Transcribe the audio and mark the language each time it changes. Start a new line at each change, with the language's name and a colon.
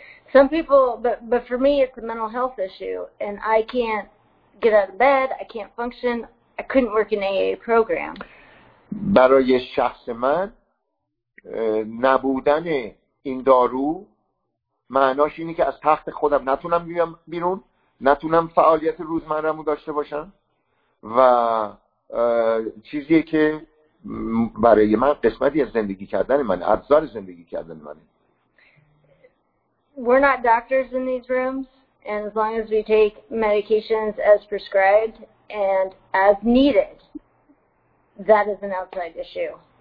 English: Some people, but for me it's a mental health issue and I can't get out of bed, I can't function, I couldn't work in AA program.
Persian: برای شخص من نبودن این دارو معناش اینه که از تخت خودم نتونم بیام بیرون، نتونم فعالیت روزمره‌مو داشته باشم و چیزیه که برای من قسمتی از زندگی کردن من، ابزار زندگی کردن من.
English: We're not doctors in these rooms, and as long as we take medications as prescribed and as needed, that is an outside issue.